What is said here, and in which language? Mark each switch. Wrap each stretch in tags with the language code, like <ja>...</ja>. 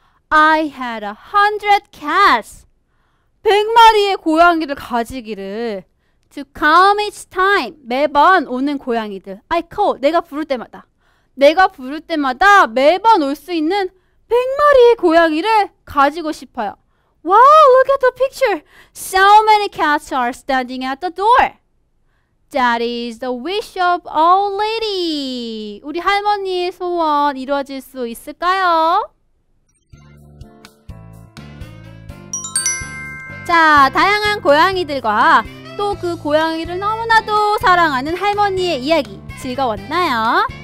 <en>I had 100 cats.</en> <ko>100마리의 고양이를 가지기를.</ko> <en>To come each time.</en> <ko>매번 오는 고양이들.</ko> <en>I call.</en> <ko>내가 부를 때마다. 내가 부를 때마다 매번 올 수 있는 100마리의 고양이를 가지고 싶어요.</ko> <en>Wow, look at the picture. So many cats are standing at the door. That is the wish of old lady.</en> <ko>우리 할머니의 소원 이루어질 수 있을까요? 자, 다양한 고양이들과 또 그 고양이를 너무나도 사랑하는 할머니의 이야기 즐거웠나요?</ko>